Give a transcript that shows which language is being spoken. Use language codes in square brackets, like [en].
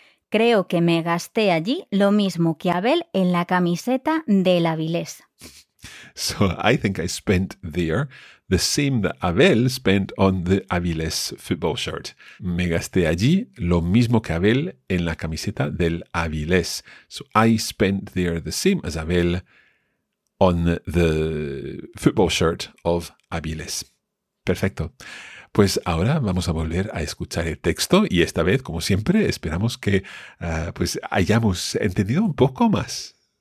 [es] Creo que me gasté allí lo mismo que Abel en la camiseta del Avilés. [en] So I think I spent there the same that Abel spent on the Avilés football shirt. [es] Me gasté allí lo mismo que Abel en la camiseta del Avilés. [en] So I spent there the same as Abel on the football shirt of Avilés. [es] Perfecto. Pues ahora vamos a volver a escuchar el texto y esta vez, como siempre, esperamos que pues hayamos entendido un poco más.